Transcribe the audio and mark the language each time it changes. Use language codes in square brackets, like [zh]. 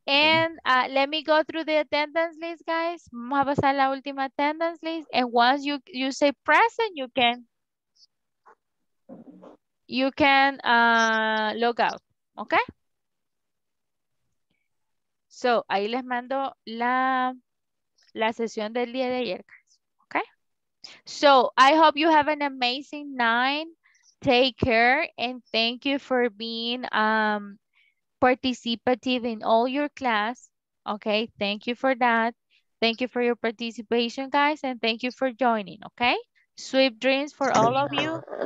[en] And let me go through the attendance list, guys. Vamos a pasar la última attendance list. And once you say present, you can log out, okay? [es] So, ahí les mando la sesión del día de ayer, guys. [en] Okay? So, I hope you have an amazing night. Take care and thank you for being participative in all your class. Okay? Thank you for that. Thank you for your participation, guys. And thank you for joining, okay? Sweet dreams for all of you.